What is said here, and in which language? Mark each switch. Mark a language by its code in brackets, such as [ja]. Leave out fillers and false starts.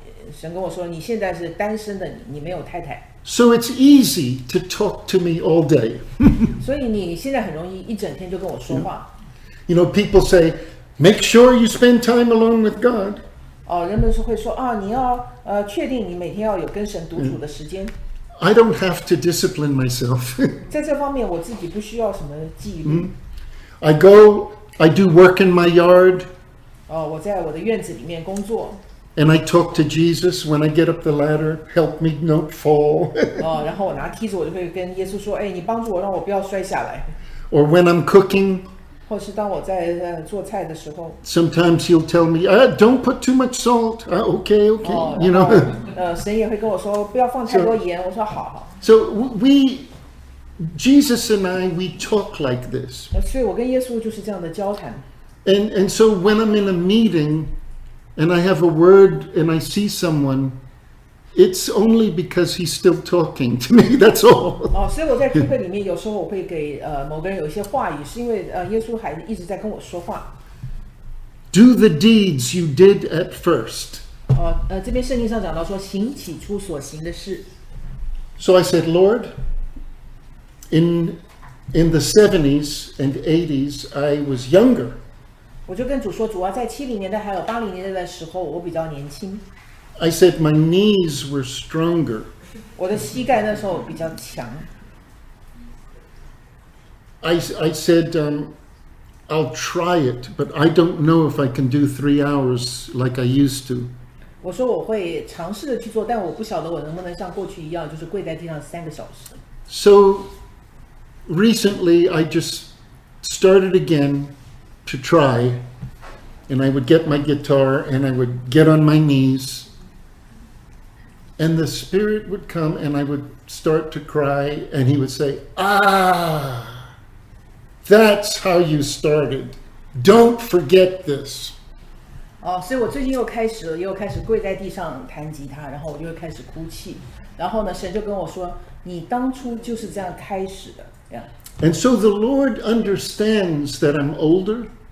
[zh] 神跟我说，你现在是单身的，你没有太太。 [en] So it's easy to talk to me all day. [zh] 所以你现在很容易一整天就跟我说话。 [en] You know, people say, make sure you spend time alone with God. [zh] 人们会说，你要确定你每天要有跟神独处的时间。 [en] I don't have to discipline myself. [zh] 在这方面我自己不需要什么纪律。 [en] I do work in my yard. [zh] 我在我的院子里面工作。 [en] And I talk to Jesus when I get up the ladder, help me not fall. [zh] 然后我拿梯子，我就会跟耶稣说，哎，你帮助我，让我不要摔下来。 [en] Or when I'm cooking. [zh] 或是当我在做菜的时候。 [en] Sometimes he'll tell me, don't put too much salt. Okay. You know. [zh] 神也会跟我说，不要放太多盐。我说好。 [en] So we, Jesus and I, we talk like this. [zh] 所以我跟耶稣就是这样的交谈。 [en] And so when I'm in a meeting. And I have a word, and I see someone. It's only because he's still talking to me. That's all. [zh] 所以我在聚会里面，有时候我会给某个人有一些话语，是因为耶稣还一直在跟我说话。 [en] Do the deeds you did at first. [zh] 这边圣经上讲到说，行起初所行的事。 [en] So I said, Lord, in the 70s and 80s, I was younger. [zh] 我就跟主说，主啊，在七零年代还有八零年代的时候，我比较年轻。 [en] I said my knees were stronger. [zh] 我的膝盖那时候比较强。 [en] I said, I'll try it, but I don't know if I can do 3 hours like I used to. [zh] 我说我会尝试的去做，但我不晓得我能不能像过去一样，就是跪在地上三个小时。 [en] So recently, I just started again. To try, and I would get my guitar and I would get on my knees, and the Spirit would come and I would start to cry, and He would say, that's how you started. Don't forget this. [zh] 所以我最近又开始跪在地上弹吉他，然后我就开始哭泣，然后呢，神就跟我说，你当初就是这样开始的。 [en] And so the Lord understands that I'm older.